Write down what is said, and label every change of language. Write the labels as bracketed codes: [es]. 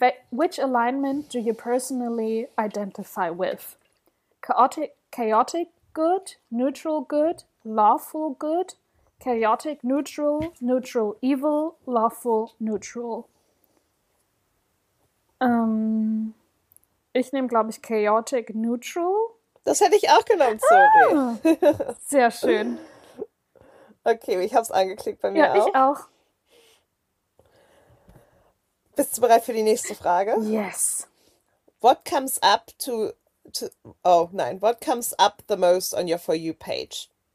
[en] Which alignment do you personally identify with? Chaotic good, neutral good, lawful good, chaotic neutral, neutral evil, lawful neutral. [de] Ich nehme, glaube ich, chaotic neutral. Das hätte ich auch genommen, sorry. Ah, sehr schön. Okay, ich habe es angeklickt bei mir auch. Ja, ich auch. Bist du bereit für die nächste Frage? [en] Yes. What comes up What comes up the most on your For You page?